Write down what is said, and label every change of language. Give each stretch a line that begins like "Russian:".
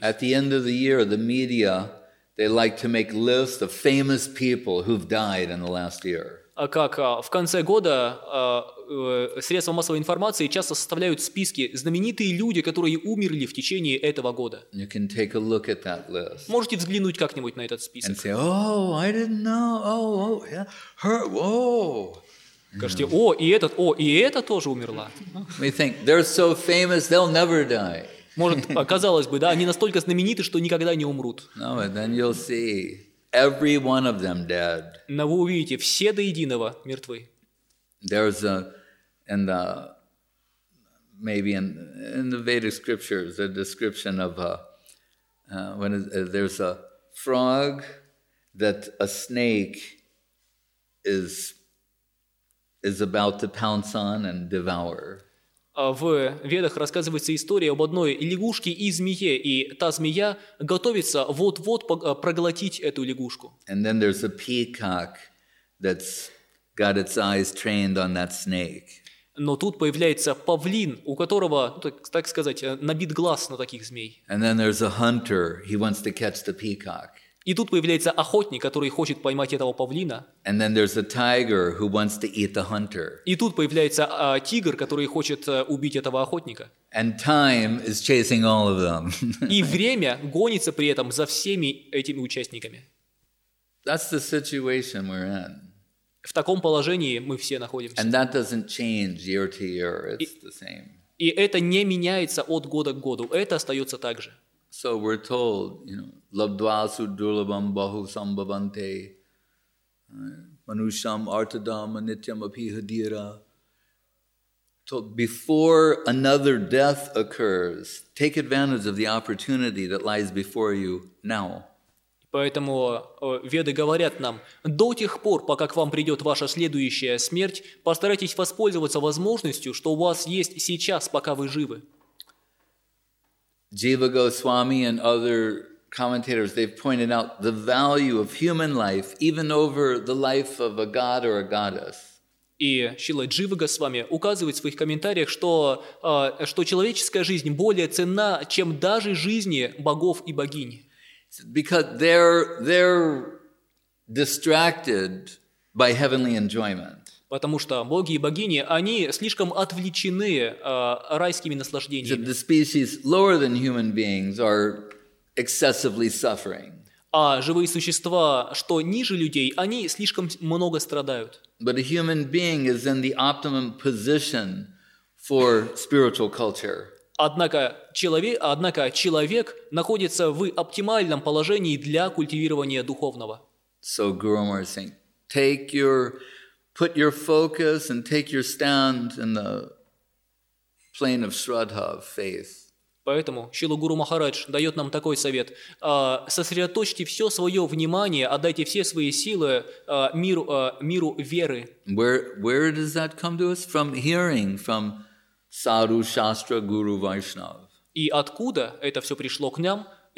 English: At the end of the year, the media, they like to make lists of famous people who've died in the last year.
Russian: Как в конце года средства массовой информации часто составляют списки знаменитые люди, которые умерли в течение этого года.
English: You can take a look at that list.
Russian: Можете взглянуть как-нибудь на этот список.
English: And say, oh, I didn't know. Oh, oh, yeah. Her, whoa.
Russian: Скажите, о, и эта тоже умерла.
English: We think they're so famous, they'll never die.
Russian: Может, казалось бы, да, они настолько знамениты, что никогда не умрут.
English: No, but then you'll see. Every one of them dead.
Russian: Но вы увидите, все до единого мертвы.
English: There's a, in the, maybe in the Vedic scriptures, a description of a, when there's a frog that a snake is about to pounce on and devour.
Russian: В Ведах рассказывается история об одной лягушке и змее, и та змея готовится вот-вот проглотить эту лягушку.
English: And then there's a peacock that's got its eyes trained on that snake.
Russian: Но тут появляется павлин, у которого, так сказать, набит глаз на таких змей.
English: And then there's a hunter, he wants to catch the peacock.
Russian: И тут появляется охотник, который хочет поймать этого павлина.
English: And then there's a tiger who wants to eat the hunter.
Russian: И тут появляется тигр, который хочет убить этого охотника.
English: And time is chasing all of them.
Russian: И время гонится при этом за всеми этими участниками.
English: That's the situation we're in.
Russian: В таком положении мы все находимся.
English: And that doesn't change year to year. It's the same.
Russian: И это не меняется от года к году. Это остается так же.
English: So we're told, you know,
Sanskrit: labdvasu durlabham bahu sambhavante, manusham artadam anityam abhihadira.
English: Told before another death occurs, take advantage of the opportunity that lies before you now.
Russian: Поэтому веды говорят нам, до тех пор, пока к вам придет ваша следующая смерть, постарайтесь воспользоваться возможностью, что у вас есть сейчас, пока вы живы.
English: Jiva Goswami and other commentators, they've pointed out the value of human life even over the life of a god or a goddess.
Russian: И Шрила Джива Госвами указывает в своих комментариях, что, что человеческая жизнь более ценна, чем даже жизни богов и богинь.
English: Because they're distracted by heavenly enjoyment.
Russian: Потому что боги и богини, они слишком отвлечены райскими наслаждениями.
English: The species lower than human beings are excessively suffering.
Russian: А живые существа, что ниже людей, они слишком много страдают.
English: But a human being is in the optimum position for spiritual culture.
Russian: Однако человек находится в оптимальном положении для культивирования духовного.
English: So Guru Maharaj is saying, take your... Put your focus and take your stand in the plane of Shraddha, of faith.
Russian: Поэтому Шрила Гуру Махарадж дает нам такой совет: сосредоточьте все свое внимание, отдайте все свои силы миру веры.
English: Where does that come to us? From hearing from Sadhu, Shastra, Guru, Vaishnav.
Russian: И откуда это все пришло к нам?